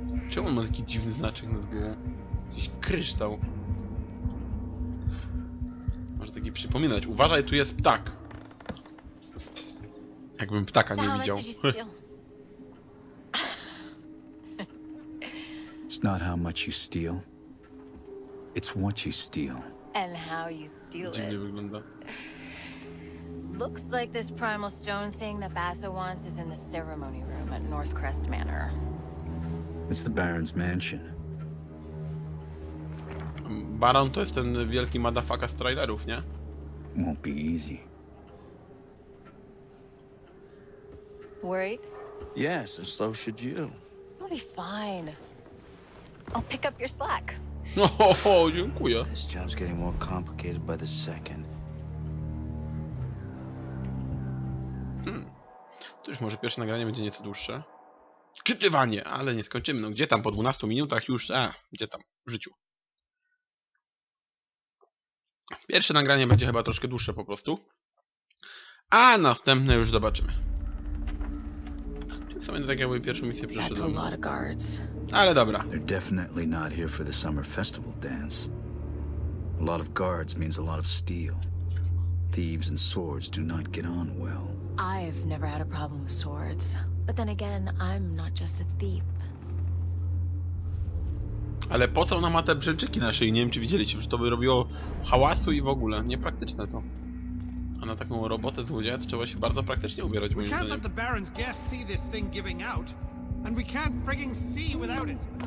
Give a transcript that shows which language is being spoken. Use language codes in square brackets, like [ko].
[pl] Czemu on ma taki dziwny znaczek nad głową? Jakiś kryształ. Może taki przypominać. Uważaj, tu jest ptak. Jakbym ptaka nie widział. [en] It's not how much you steal. It's what you steal. And how you steal it. Looks like this primal stone thing that Basso wants is in the ceremony room at Northcrest Manor. It's the Baron's mansion. [pl] Baron to jest ten wielki madafaka z trailerów, nie? [en] Won't be easy. Worried? Yes, and so should you. It'll be fine. I'll pick up your slack. [pl] Oh, dziękuję. [en] This job's getting more complicated by the second. [pl] To już może pierwsze nagranie będzie nieco dłuższe. Czytywanie, ale nie skończymy. No gdzie tam po 12 minutach już. Gdzie tam? W życiu. Pierwsze nagranie będzie chyba troszkę dłuższe po prostu. A następne już zobaczymy. W sumie to tak jakby pierwszą misję przeszedłem. Ale dobra. [en] They're definitely not here for the summer festival dance. A lot of guards means a lot of steel. Thieves and swords do not get on well. I've never had a problem with swords. But then again, I'm not just a thief. [pl] Ale po co ona ma te brzęczyki na szyi? Nie wiem, czy widzieliście, że to by robiło hałasu i w ogóle. Niepraktyczne to. A na taką robotę złodzieja to trzeba się bardzo praktycznie ubierać, moim zdaniem. [en] We can't let the Baron's guests see this thing giving out. And we can't frigging see without it.